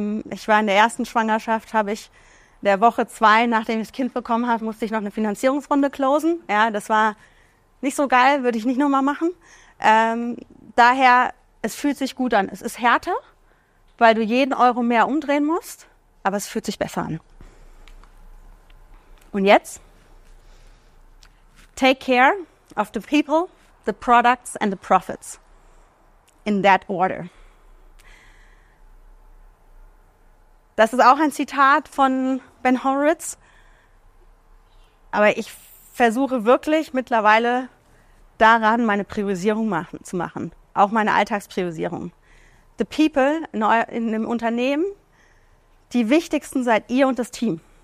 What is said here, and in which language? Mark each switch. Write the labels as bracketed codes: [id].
[de] Ich war in der ersten Schwangerschaft, habe ich der Woche 2, nachdem ich das Kind bekommen habe, musste ich noch eine Finanzierungsrunde closen. Ja, das war nicht so geil, würde ich nicht nochmal machen. Daher, es fühlt sich gut an. Es ist härter, weil du jeden Euro mehr umdrehen musst, aber es fühlt sich besser an. Und jetzt? [en] Take care of the people, the products and the profits. In that order. [de] Das ist auch ein Zitat von Ben Horowitz. Aber ich versuche wirklich mittlerweile daran, meine Priorisierung zu machen. Auch meine Alltagspriorisierung. [en] The people [de] in dem Unternehmen, die wichtigsten seid ihr und das Team.